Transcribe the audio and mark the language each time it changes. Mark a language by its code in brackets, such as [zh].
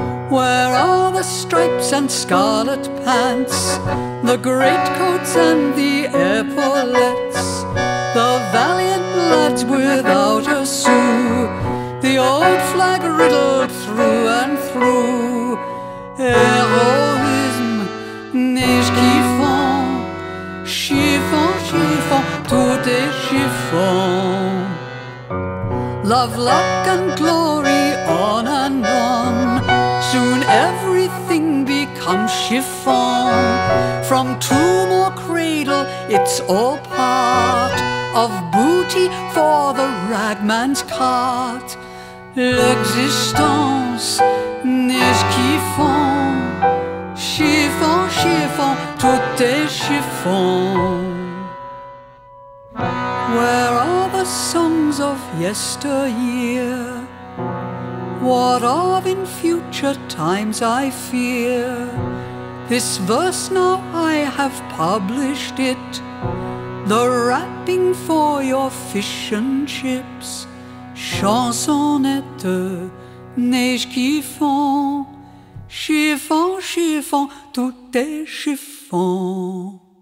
[en] Where are the stripes and scarlet pants, the greatcoats and the epaulettes? The valiant lads without a sou, the old flag riddled through and through. [fr] Heroism, neige qui fond, chiffon, chiffon, tout est chiffon. [en] Love, luck and glory on and on, soon everything becomes chiffon. From tomb or cradle, it's all part of booty for the ragman's cart. [fr] L'existence, neige qui fond, chiffon, chiffon, tout est chiffon. [en] Where are the songs of yesteryear? What of in future times, I fear? This verse now I have published it, the wrapping for your fish and chips. [fr] Chansonnette, neige qui fond, chiffon, chiffon, tout est chiffon.